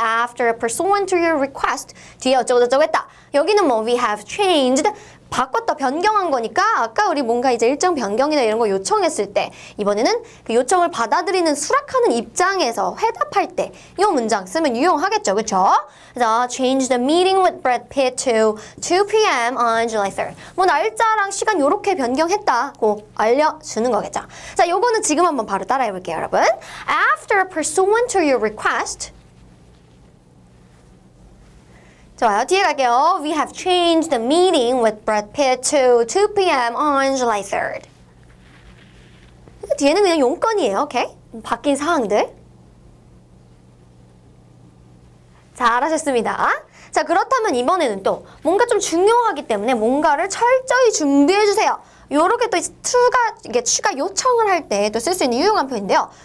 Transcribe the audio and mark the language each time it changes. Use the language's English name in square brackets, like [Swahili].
[English] After pursuant to your request [Korean] 뒤에 어쩌고 저쩌고 했다. 여기는 뭐 [English] we have changed [Korean] 바꿨다 변경한 거니까 아까 우리 뭔가 이제 일정 변경이나 이런 거 요청했을 때 이번에는 그 요청을 받아들이는 수락하는 입장에서 회답할 때 이 문장 쓰면 유용하겠죠, 그렇죠? 그래서 [English] change the meeting with Brad Pitt to 2 PM on July 3rd. [Korean] 뭐 날짜랑 시간 이렇게 변경했다고 알려주는 거겠죠. 자, 요거는 지금 한번 바로 따라해볼게요, 여러분. [English] After pursuant to your request. [Korean] 좋아요. 뒤에 갈게요. [English] We have changed the meeting with Brad Pitt to 2 PM on July 3rd. [Korean] 뒤에는 그냥 용건이에요. 오케이? 바뀐 상황들. 잘하셨습니다. 자, 그렇다면 이번에는 또 뭔가 좀 중요하기 때문에 뭔가를 철저히 준비해 주세요. 요렇게 또 추가 요청을 할 때 또 쓸 수 있는 유용한 표현인데요.